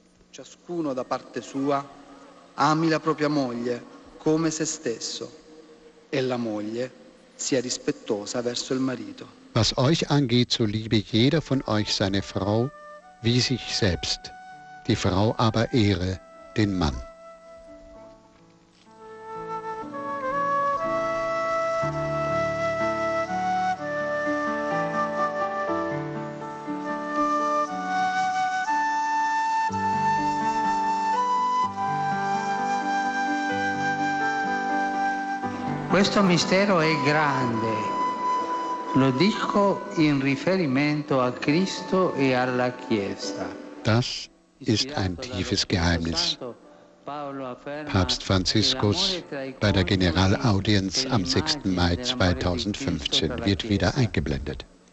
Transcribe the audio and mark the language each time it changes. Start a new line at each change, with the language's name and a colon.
Italian: Ciascuno da parte sua ami la propria moglie come se stesso e la moglie sia rispettosa verso il marito.
German: Was euch angeht, so liebe jeder von euch seine Frau wie sich selbst, die Frau aber ehre den Mann.
English: Thank you.
Italian: Questo mistero è grande. Lo dico in riferimento a Cristo e alla Chiesa.
German: Das ist ein tiefes Geheimnis. Papst Franziskus bei der Generalaudienz am 6. Mai 2015 wird wieder eingeblendet.